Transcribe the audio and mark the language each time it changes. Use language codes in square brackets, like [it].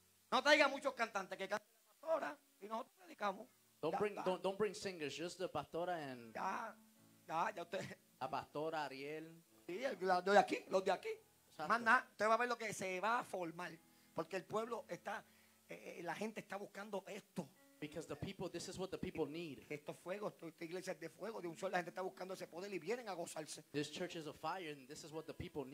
[es] No traiga muchos cantantes que canten la pastora y nosotros predicamos. [en] Don't bring singers, just the pastora and... [es] Ya usted... La pastora, Ariel. Sí, los de aquí. Exacto. Más nada, usted va a ver lo que se va a formar. Porque el pueblo está... la gente está buscando esto. [en] Because the people, this is what the people need. [es] Estos fuegos, esta iglesia es de fuego, de un sol. La gente está buscando ese poder y vienen a gozarse. [en] This church is a fire and this is what the people need.